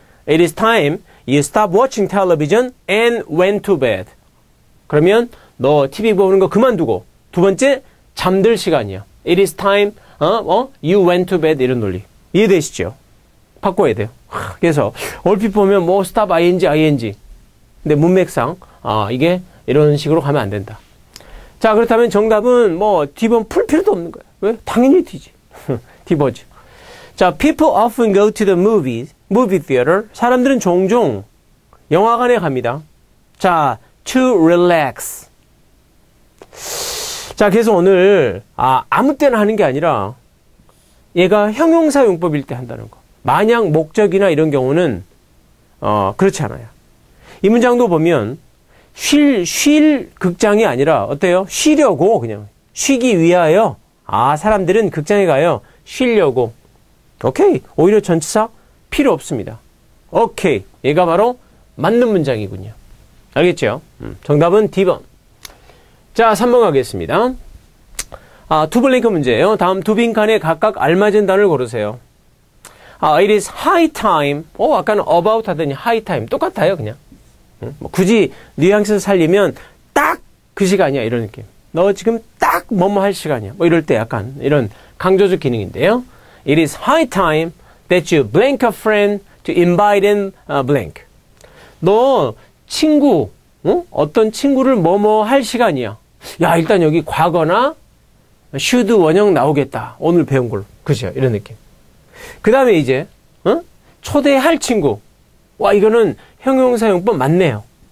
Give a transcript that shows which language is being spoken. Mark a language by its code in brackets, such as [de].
[en] It is time you stop watching television and went to bed. [ko] 그러면 너 TV 보는 거 그만두고 두 번째 잠들 시간이야. [en] It is time you went to bed [ko] 이런 논리. 이해되시죠? 바꿔야 돼요. 그래서 얼핏 보면 뭐 [en] stop ing ing. [ko] 근데 문맥상 이게 이런 식으로 가면 안 된다. 자, 그렇다면 정답은 뭐 뒤범 풀 필요도 없는 거야. 왜? 당연히 뒤지. 뒤버지. 자, [en] people often go to the movie theater. [ko] 사람들은 종종 영화관에 갑니다. 자, [en] to relax. [ko] 자, 그래서 오늘 아무 때나 하는 게 아니라 얘가 형용사 용법일 때 한다는 거. 만약 목적이나 이런 경우는 그렇지 않아요. 이 문장도 보면 쉴 극장이 아니라 어때요? 쉬려고 그냥 쉬기 위하여 사람들은 극장에 가요. 쉬려고. 오케이. 오히려 전치사 필요 없습니다. 오케이. 얘가 바로 맞는 문장이군요. 알겠죠? 정답은 D번. 자, 3번 가겠습니다. 두 블랭크 문제예요. 다음 두 빈칸에 각각 알맞은 단어를 고르세요. [en] It is high time. [ko] 아까는 [en] about [ko] 하더니 [en] high time. [ko] 똑같아요, 그냥. 뭐 굳이 뉘앙스 살리면 딱 그 시간이야, 이런 느낌. 너 지금 딱 뭐뭐 할 시간이야. 뭐 이럴 때 약간 이런 강조적 기능인데요. [en] It is high time that you blank a friend to invite in a blank. [ko] 너 친구, 어떤 친구를 뭐뭐 할 시간이야. 야, 일단 여기 과거나 should 원형 나오겠다. 오늘 배운 걸로. 그죠? 이런 느낌. 그 다음에 이제 초대할 친구. 와, 이거는 형용사 용법 맞네요.